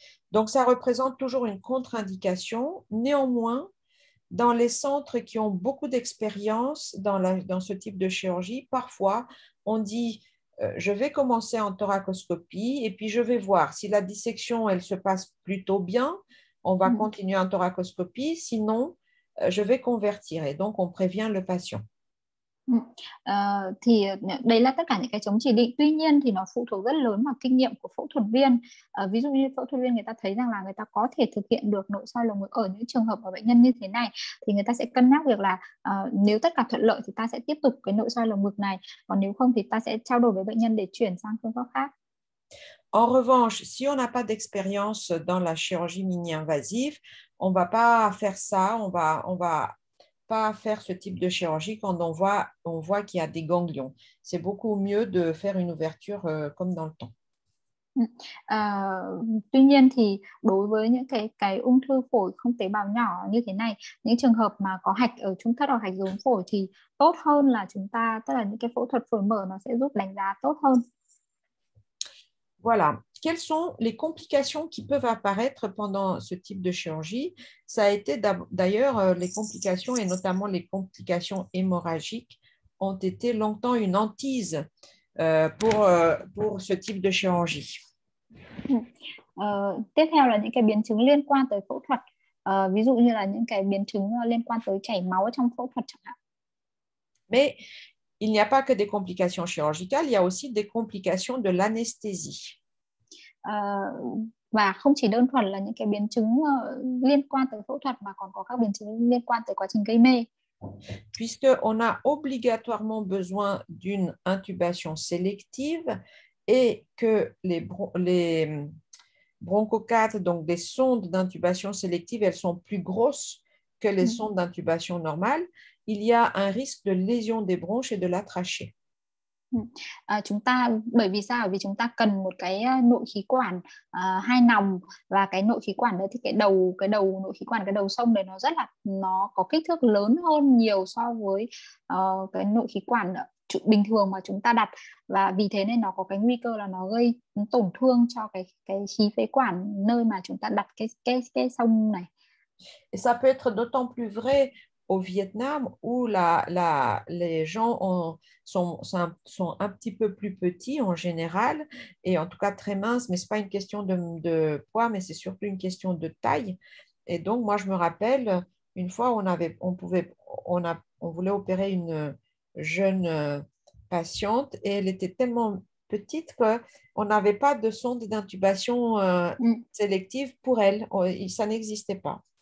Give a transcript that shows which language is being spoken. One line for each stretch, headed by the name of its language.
French: Donc ça représente toujours une contre-indication. Néanmoins, dans les centres qui ont beaucoup d'expérience dans ce type de chirurgie, parfois on dit je vais commencer en thoracoscopie et puis je vais voir si la dissection elle se passe plutôt bien, on va continuer en thoracoscopie, sinon je vais convertir. Et donc, on prévient le patient.
Vietnamese: Thì đấy là tất cả những cái chống chỉ định. Tuy nhiên thì nó phụ thuộc rất lớn vào kinh nghiệm của phẫu thuật viên. Ví dụ như phẫu thuật viên người ta thấy rằng là người ta có thể thực hiện được nội soi lồng ngực ở những trường hợp ở bệnh nhân như thế này, thì người ta sẽ cân nhắc việc là nếu tất cả thuận lợi thì ta sẽ tiếp tục cái nội soi lồng ngực này, còn nếu không thì ta sẽ trao đổi với bệnh nhân để chuyển sang phương pháp khác.
French: En revanche, si on n'a pas d'expérience dans la chirurgie mini-invasive, on va pas faire ça, on va pas faire ce type de chirurgie quand on voit qu'il y a des ganglions. C'est beaucoup mieux de faire une ouverture comme dans le temps.
Vietnamese: Tuy nhiên thì đối với những cái ung thư phổi không tế bào nhỏ như thế này, những trường hợp mà có hạch ở trung thất hoặc hạch rốn phổi thì tốt hơn là chúng ta, tức là những cái phẫu thuật phổi mở nó sẽ giúp đánh giá tốt hơn.
French: Voilà. Quelles sont les complications qui peuvent apparaître pendant ce type de chirurgie? Ça a été d'ailleurs les complications, et notamment les complications hémorragiques, ont été longtemps une hantise pour ce type de chirurgie.
Vietnamese: Tiếp theo là những cái biến chứng liên quan tới phẫu thuật. Ví dụ như là những cái biến chứng liên quan tới chảy máu trong phẫu thuật chẳng hạn.
French: Mais il n'y a pas que des complications chirurgicales, il y a aussi des complications de l'anesthésie.
Vietnamese: Và không chỉ đơn thuần là những cái biến chứng liên quan tới phẫu thuật mà còn có các biến chứng liên quan tới quá trình gây mê.
French: Puisque on a obligatoirement besoin d'une intubation sélective et que les bronchocates, donc des sondes d'intubation sélective, elles sont plus grosses que les sondes d'intubation normales, il y a un risque de lésion des bronches et de la trachée.
Vietnamese: Chúng ta bởi vì sao? Vì chúng ta cần một cái nội khí quản hai nòng, và cái nội khí quản đấy thì cái đầu nội khí quản, cái đầu sông đấy nó có kích thước lớn hơn nhiều so với cái nội khí quản bình thường mà chúng ta đặt, và vì thế nên nó có cái nguy cơ là nó gây tổn thương cho cái khí phế quản nơi mà chúng ta đặt cái sông này.
French: Et ça peut être d'autant plus vrai au Vietnam, où les gens sont un petit peu plus petits en général, et en tout cas très minces, mais ce n'est pas une question de poids, mais c'est surtout une question de taille. Et donc, moi, je me rappelle, une fois, on voulait opérer une jeune patiente, et elle était tellement petite qu'on n'avait pas de sonde d'intubation sélective pour elle. Ça n'existait pas.